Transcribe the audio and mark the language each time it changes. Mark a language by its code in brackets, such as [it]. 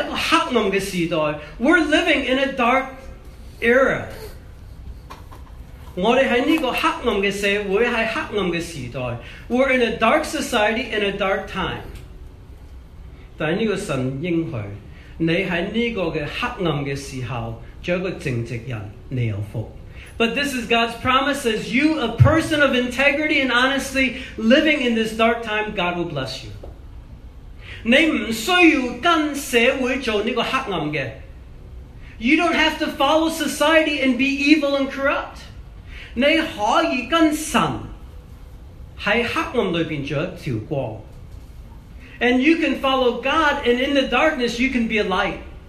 [zh] 我们生活是一个黑暗的时代, [en] we're living in a dark era. [zh] 我们在这个黑暗的社会是黑暗的时代, [en] we're in a dark society in a dark time. [zh] 但这个神应许, [en] but this is God's promise, as you, a person of integrity and honesty, living in this dark time, God will bless you. [zh] 你不需要跟社会做这个黑暗的, [en] you don't have to follow society and be evil and corrupt. [zh] 你可以跟神在黑暗里面做一条光, [en] and you can follow God, and in the darkness you can be a light.